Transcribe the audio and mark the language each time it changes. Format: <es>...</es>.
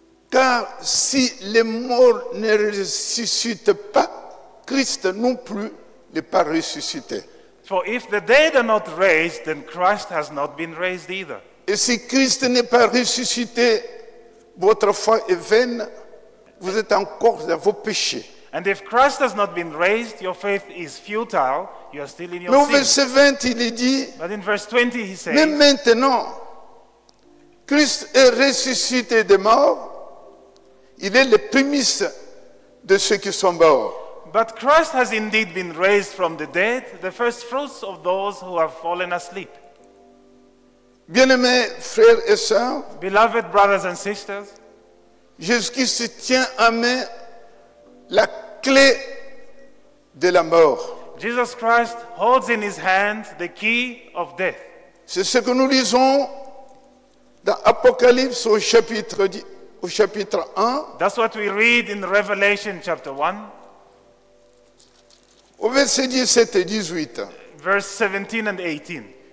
<fr>Car si les morts ne ressuscitent pas, Christ non plus n'est pas ressuscité.</fr> <en>For if the dead are not raised, then Christ has not been raised either.</en> <fr>Et si Christ n'est pas ressuscité, votre foi est vaine, vous êtes encore dans vos péchés.</fr> <en>And if Christ has not been raised, your faith is futile, you are still in your</en> <fr>Mais au verset 20, il dit,</fr> <en>but in verse 20 he says,</en> <fr>mais maintenant, Christ est ressuscité des morts, il est le prémices de ceux qui sont morts.</fr> <en>But Christ has indeed been raised from the dead, the first fruits of those who have fallen asleep.</en> <fr>Bien-aimés frères et sœurs,</fr> <en>beloved brothers and sisters,</en> <fr>Jésus-Christ tient en main la clé de la mort.</fr> <en>Jesus Christ holds in his hand the key of death.</en> <fr>C'est ce que nous lisons dans Apocalypse au chapitre 1.</fr> <en>That's what we read in Revelation chapter 1.</en> <fr>Au verset 17 et 18.</fr> <en>Verse 17 and 18.</en>